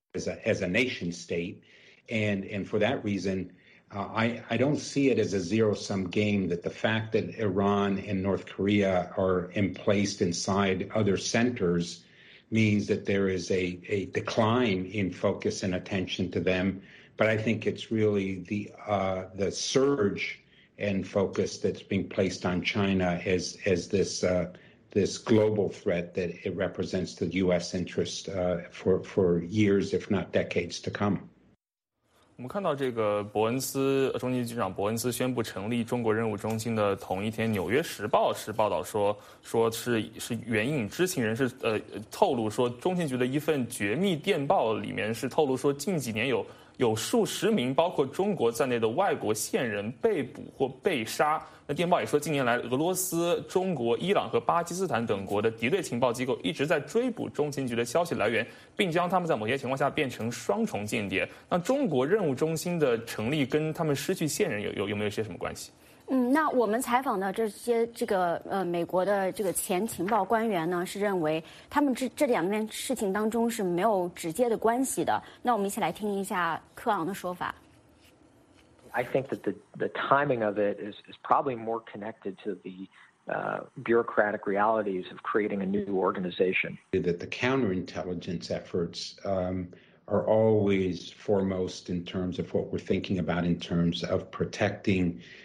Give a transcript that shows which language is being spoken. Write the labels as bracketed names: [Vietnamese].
[English] As a nation state. And for that reason, I don't see it as a zero-sum game that the fact that Iran and North Korea are emplaced inside other centers means that there is a decline in focus and attention to them. But I think it's really the surge and focus that's being placed on China as this this global threat that it represents to the U.S. interest for years, if not decades, to come. [Chinese] 我们看到这个伯恩斯中情局长伯恩斯宣布成立中国任务中心的同一天，《纽约时报》是报道说，说是援引知情人士透露说，中情局的一份绝密电报里面是透露说，近几年有数十名包括中国在内的外国线人被捕或被杀。那电报也说，近年来俄罗斯、中国、伊朗和巴基斯坦等国的敌对情报机构一直在追捕中情局的消息来源，并将他们在某些情况下变成双重间谍。那中国任务中心的成立跟他们失去线人有没有些什么关系？那我们采访的这些美国的这个前情报官员呢，是认为他们这两件事情当中是没有直接的关系的。那我们一起来听一下克昂的说法。 [English] I think that the timing of it is probably more connected to the bureaucratic realities of creating a new organization. That the counterintelligence efforts are always foremost in terms of what we're thinking about in terms of protecting.